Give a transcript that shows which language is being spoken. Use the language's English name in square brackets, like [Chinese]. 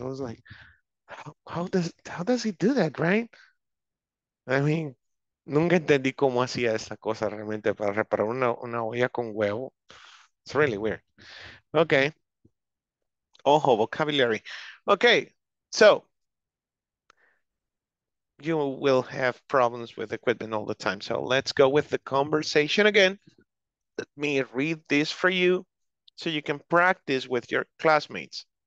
[English] I was like, how does he do that, right? I mean, [Spanish] nunca entendí cómo hacía esa cosa realmente para reparar una olla con huevo. [English] It's really weird. Okay. [Spanish] Ojo, [English] vocabulary. Okay, so you will have problems with equipment all the time. So let's go with the conversation again. Let me read this for you so you can practice with your classmates.